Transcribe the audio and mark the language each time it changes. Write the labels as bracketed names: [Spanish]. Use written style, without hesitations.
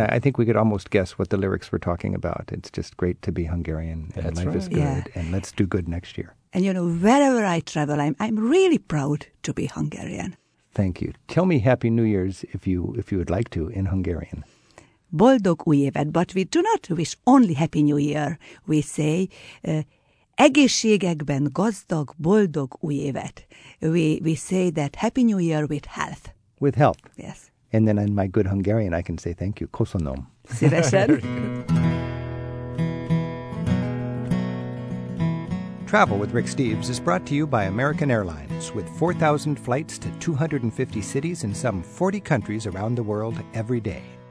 [English] And I think we could almost guess what the lyrics were talking about. It's just great to be Hungarian and life is good and let's do good next year. And you know, wherever I travel, I'm really proud to be Hungarian. Thank you. Tell me Happy New Year's if you would like to in Hungarian. [Hungarian] Boldog új évet, [English] but we do not wish only Happy New Year. We say [Hungarian] egészségekben gazdag, boldog új évet. [English] We say that Happy New Year with health. With health. Yes. And then in my good Hungarian, I can say thank you. [Hungarian] Köszönöm. Szívesen. [English] Travel with Rick Steves is brought to you by American Airlines, with 4,000 flights to 250 cities in some 40 countries around the world every day.